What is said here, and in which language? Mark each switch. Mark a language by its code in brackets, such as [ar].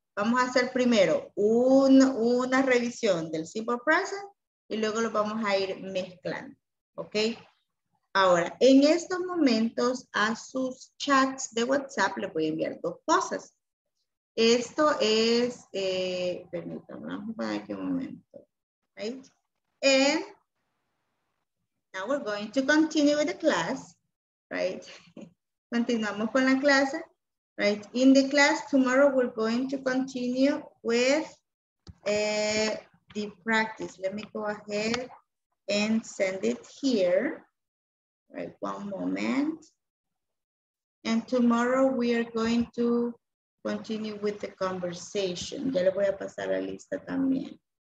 [es] Vamos a hacer primero una revisión del simple present y luego lo vamos a ir mezclando. ¿Ok? Ahora, en estos momentos a sus chats de WhatsApp le voy a enviar dos cosas. Esto es, permítanme, vamos a poner aquí un momento. [en] Right? And now we're going to continue with the class. Right? [es] Continuamos con la clase. [en] Right? In the class tomorrow we're going to continue with the practice. Let me go ahead and send it here. Right, one moment. And tomorrow we are going to continue with the conversation. [es] Ya le voy a pasar la lista también.